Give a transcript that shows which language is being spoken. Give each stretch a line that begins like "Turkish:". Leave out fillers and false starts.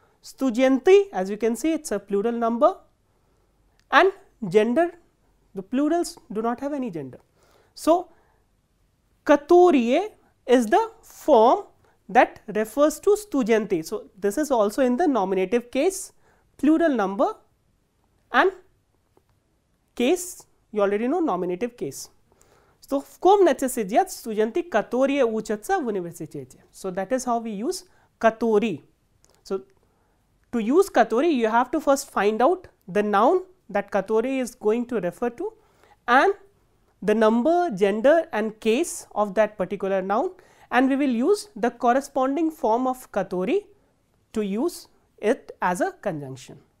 English: Studenti, as you can see, it is a plural number, and gender, the plurals do not have any gender. So, katori is the form that refers to studenti. So, this is also in the nominative case, plural number and case, you already know nominative case.
Russian: So, в комнате сидят студенты, которые учатся в университете.
English: So, that is how we use katori. So, to use katori, you have to first find out the noun that katori is going to refer to and the number, gender and case of that particular noun. And we will use the corresponding form of katori to use it as a conjunction.